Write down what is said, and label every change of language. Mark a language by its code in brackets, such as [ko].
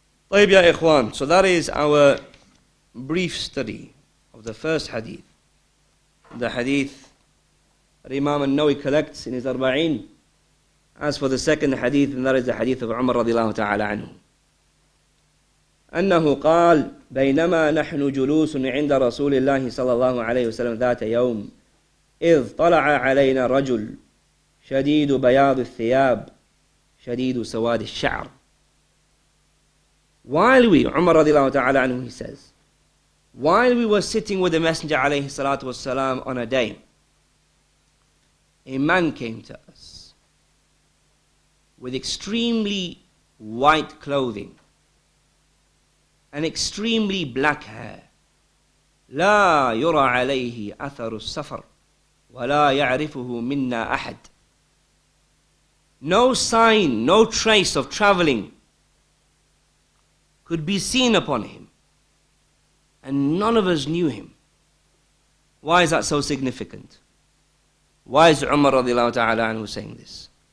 [ar] طيب يا إخوان. [en] So that is our brief study of the first hadith. The hadith that Imam An-Nawi collects in his Arba'een. As for the second hadith, and that is the hadith of Umar radiallahu ta'ala anhu. [ar] أنه قال بينما نحن جلوس عند رسول الله صلى الله عليه وسلم ذات يوم إذ طلع علينا رجل شديد بياض الثياب شديد سواد الشعر. [en] Umar radiallahu ta'ala anhu, he says, while we were sitting with the Messenger alayhi salatu wasalam on a day, a man came to us with extremely white clothing and extremely black hair. [ar] لا يرى عليه أثر السفر ولا يعرفه منا أحد. [en] No sign, no trace of traveling could be seen upon him, and none of us knew him. Why is that so significant? Why is Umar radiallahu ta'ala anhu saying this?